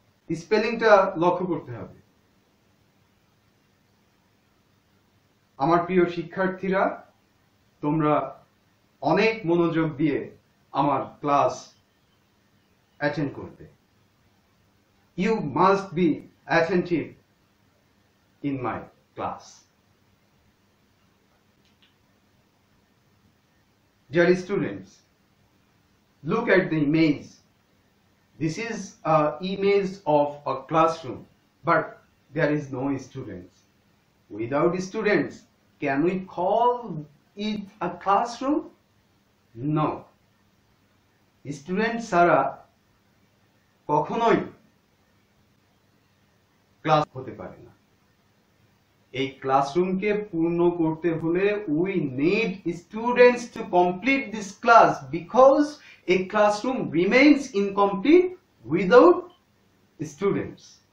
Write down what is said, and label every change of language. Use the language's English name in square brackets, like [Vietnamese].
[Bangla] স্পেলিংটা লক্ষ্য করতে হবে। আমার প্রিয় শিক্ষার্থীরা, তোমরা অনেক মনোযোগ দিয়ে আমার ক্লাস অ্যাটেন্ড করবে। [English] You must be attentive in my class. Dear students, look at the image. This is an image of a classroom, but there is no students. Without students, can we call it a classroom? No. [Bangla] Students sara kokhonoi class হতে পারে না। এই ক্লাসরুমকে পূর্ণ করতে হলে [English] We need students to complete this class, because a classroom remains incomplete without students.